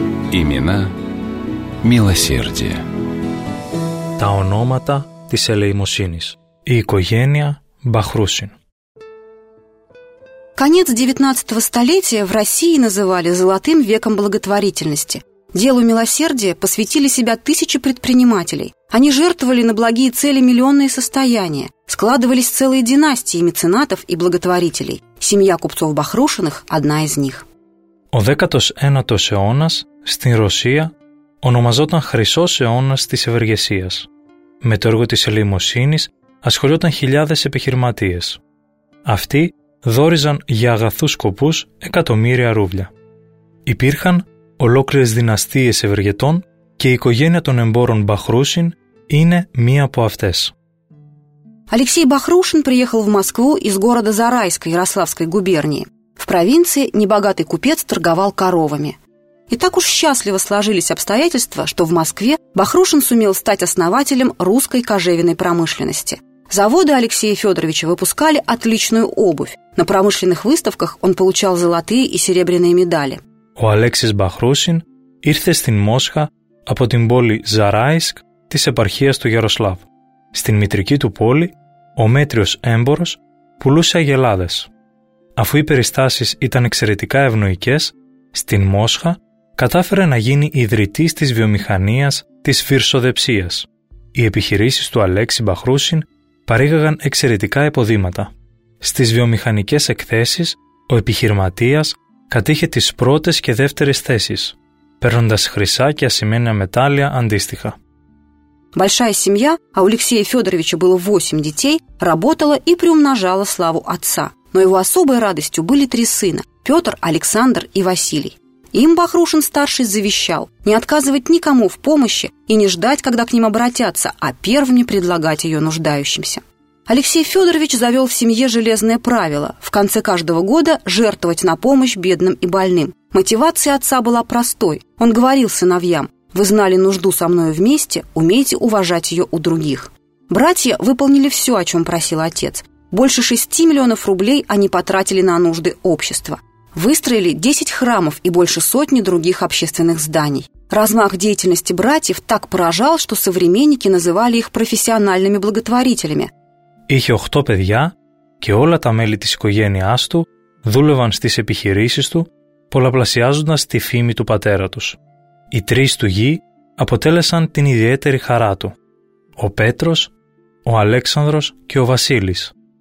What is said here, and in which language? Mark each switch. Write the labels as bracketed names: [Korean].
[Russian] Имена милосердия. [Greek] Τα ονόματα της ελεημοσύνης. Η οικογένεια Μπαχρούσιν. [Russian] Конец 19-го столетия в России называли «золотым веком благотворительности». Делу милосердия посвятили себя тысячи предпринимателей. Они жертвовали на благие цели миллионные состояния. Складывались целые династии меценатов и благотворителей. Семья купцов Бахрушиных – одна из них. [Greek] Ο 19ος αιώνας στην Ρωσία ονομαζόταν «Χρυσός αιώνας της ευεργεσίας». Με το έργο της ελεημοσύνης ασχολιόταν χιλιάδες επιχειρηματίες. Αυτοί δόριζαν για αγαθούς σκοπούς εκατομμύρια ρούβλια. Υπήρχαν ολόκληρες δυναστείες ευεργετών και η οικογένεια των εμπόρων Μπαχρούσιν είναι μία από αυτές. [Russian] Алексей Бахрушин приехал в Москву из города Зарайска Ярославской губернии. В провинции небогатый купец торговал коровами. И так уж счастливо сложились обстоятельства, что в Москве Бахрушин сумел стать основателем русской кожевенной промышленности. Заводы Алексея Федоровича выпускали отличную обувь. На промышленных выставках он получал золотые и серебряные медали. [Greek] Ο Αλέξης Μπαχρούσιν ήρθε στην Μόσχα από την πόλη Ζαράισκ της επαρχίας του Γεροσλάβ. Στην μητρική του πόλη, ο μέτριος έμπορος πουλούσε αγελάδες. Αφού οι περιστάσεις ήταν εξαιρετικά ευνοϊκές, στην Μόσχα κατάφερε να γίνει ιδρυτής της βιομηχανίας της φυρσοδεψίας. Οι επιχειρήσεις του Αλέξη Μπαχρούσιν παρήγαγαν εξαιρετικά υποδήματα. Στις βιομηχανικές εκθέσεις, ο επιχειρηματίας κατήχε τις πρώτες και δεύτερες θέσεις, παίρνοντας χρυσά και ασημένια μετάλλια αντίστοιχα. [Russian] Большая семья, а у Алексея Федоровича было 8 детей, работала и приумножала славу отца. Но его особой радостью были три сына – Петр, Александр и Василий. Им Бахрушин-старший завещал не отказывать никому в помощи и не ждать, когда к ним обратятся, а первыми предлагать ее нуждающимся. Алексей Федорович завел в семье железное правило – в конце каждого года жертвовать на помощь бедным и больным. Мотивация отца была простой. Он говорил сыновьям: «Вы знали нужду со мною вместе, умейте уважать ее у других». Братья выполнили все, о чем просил отец. Больше 6 миллионов рублей они потратили на нужды общества. Выстроили 10 храмов и больше сотни других общественных зданий. Размах деятельности братьев так поражал, что современники называли их профессиональными благотворителями. [Greek] Είχε 8 παιδιά και όλα τα μέλη της οικογένειάς του δούλευαν στις επιχειρήσεις του, πολλαπλασιάζοντας τη φήμη του πατέρα τους. Οι τρεις του γη αποτέλεσαν την ιδιαίτερη χαρά του: ο Πέτρος, ο Αλέξανδρος και ο Βασίλης.